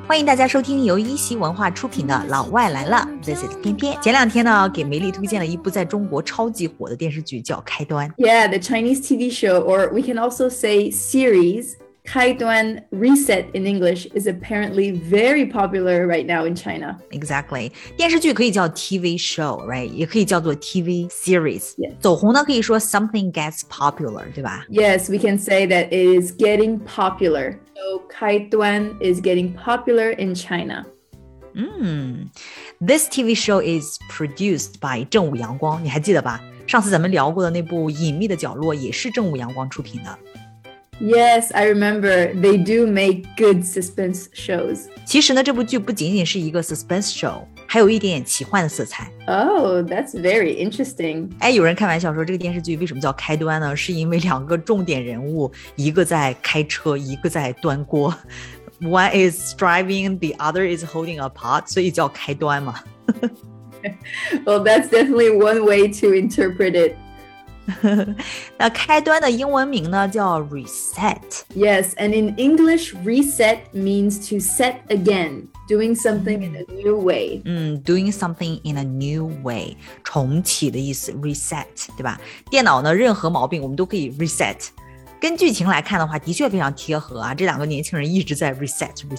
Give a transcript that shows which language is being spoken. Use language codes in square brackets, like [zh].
[zh] 欢迎大家收听由一席文化出品的《老外来了》。 [en] This is 翩翩。 [zh] 前两天呢，给梅丽推荐了一部在中国超级火的电视剧，叫《开端》。 [en] Yeah, the Chinese TV show, or we can also say series. 开端 reset in English is apparently very popular right now in China. Exactly. [zh] 电视剧可以叫 [en] TV show, right? [zh] 也可以叫做 TV series. [en] Yes. [zh] 走红呢可以说 [en] something gets popular, [zh] 对吧 [en] Yes, we can say that it is getting popular. So 开端 is getting popular in China. This TV show is produced by 正午阳光。 [zh] 你还记得吧上次咱们聊过的那部隐秘的角落也是正午阳光出品的。 [en] Yes, I remember. They do make good suspense shows. [zh] 其实呢，这部剧不仅仅是一个 suspense show， 还有一点奇幻的色彩。 [en] Oh, that's very interesting. [zh] 哎，有人开玩笑说这个电视剧为什么叫开端呢？是因为两个重点人物，一个在开车，一个在端锅。 [en] One is driving, the other is holding a pot. [zh] 所以叫开端嘛。 [en] Well, that's definitely one way to interpret it. [zh] 那开端的英文名呢叫 reset. [en] Yes, and in English, reset means to set again, doing something in a new way. Doing something in a new way, [zh] 重启的意思 [en] reset, [zh] 对吧？电脑呢，任何毛病我们都可以 reset。根据剧情来看的话，的确非常贴合啊。这两个年轻人一直在 reset.